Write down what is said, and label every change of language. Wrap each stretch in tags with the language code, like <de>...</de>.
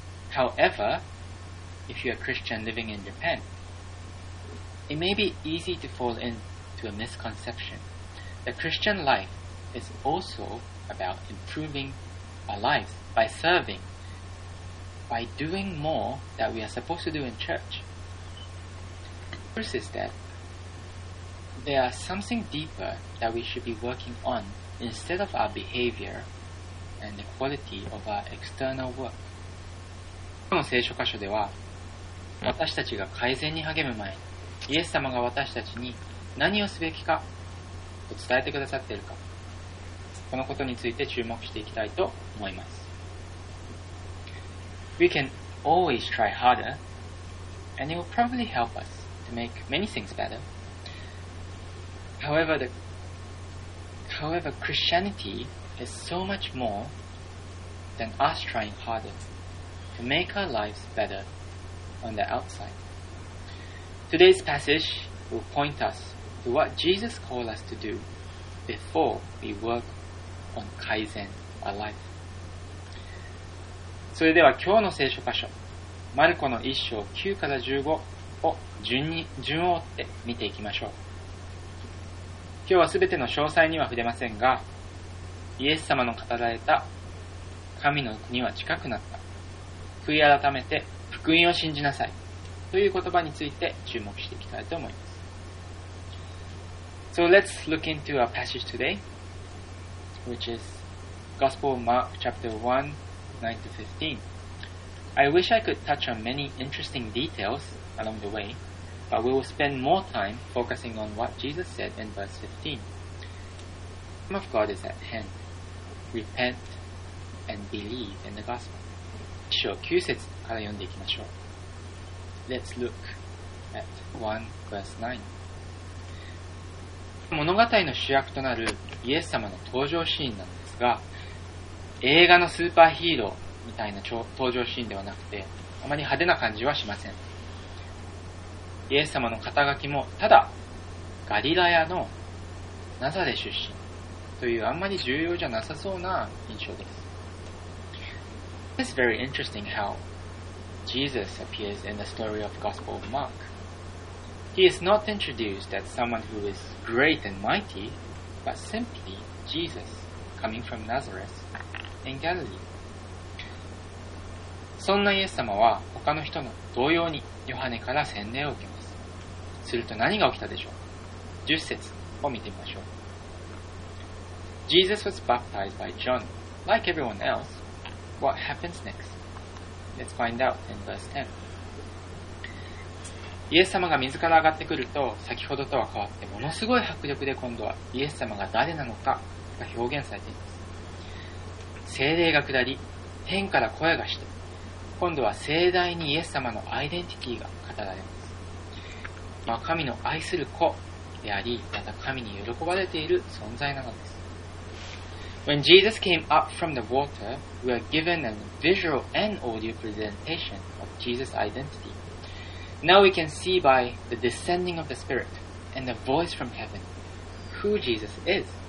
<en>However, if you're a Christian living in Japan, it may be easy to fall into a misconception that Christian life is also about improving our lives by serving, by doing more that we are supposed to do in church. The truth is thatThere are something deeper that we should be working on instead of our behavior and the quality of our external work.</en> <ja>今日の聖書箇所では、私たちが改善に励む前、イエス様が私たちに何をすべきかと伝えてくださっているか、このことについて注目していきたいと思います。</ja> <en>We can always try harder, and it will probably help us to make many things better. However, Christianity is so much more than us trying harder to make our lives better on the outside. Today's passage will point us to what Jesus called us to do before we work on Kaizen our life.</en> <ja>それでは今日の聖書箇所、マルコの1章9から15を順を追って見ていきましょう。今日はすべての詳細には触れませんが、イエス様の語られた神の国は近くなった、悔い改めて福音を信じなさいという言葉について注目していきたいと思います。</ja> <en>So let's look into our passage today, which is Gospel of Mark chapter 1:9-15. I wish I could touch on many interesting details along the way. But we will spend more time focusing on what Jesus said in verse 15. The kingdom of God is at hand. Repent and believe in the gospel.</en> <ja>1章9節から読んでいきましょう。</ja> <en>Let's look at 1:9.</en> <ja>物語の主役となるイエス様の登場シーンなんですが、映画のスーパーヒーローみたいな登場シーンではなくて、あまり派手な感じはしません。イエス様の肩書きもただガリラヤのナザレ出身というあんまり重要じゃなさそうな印象です。</ja> <en>It's very interesting how Jesus appears in the story of Gospel of Mark. He is not introduced as someone who is great and mighty, but simply Jesus coming from Nazareth in Galilee.</en> <ja>そんなイエス様は他の人の同様にヨハネから洗礼を受けます。すると何が起きたでしょう ?10 節を見てみましょう。</ja> <en>Jesus was baptized by John, like everyone else. What happens next? Let's find out in verse</en> <ja>10. イエス様が自ら上がってくると、先ほどとは変わってものすごい迫力で今度はイエス様が誰なのかが表現されています。聖霊が下り、天から声がして、今度は盛大にイエス様のアイデンティティが語られます。まあ、神の愛する子であり、また神に喜ばれている存在なのです。</ja> <en>When Jesus came up from the water, we are given a visual and audio presentation of Jesus' identity. Now we can see by the descending of the Spirit and the voice from heaven who Jesus is.</en>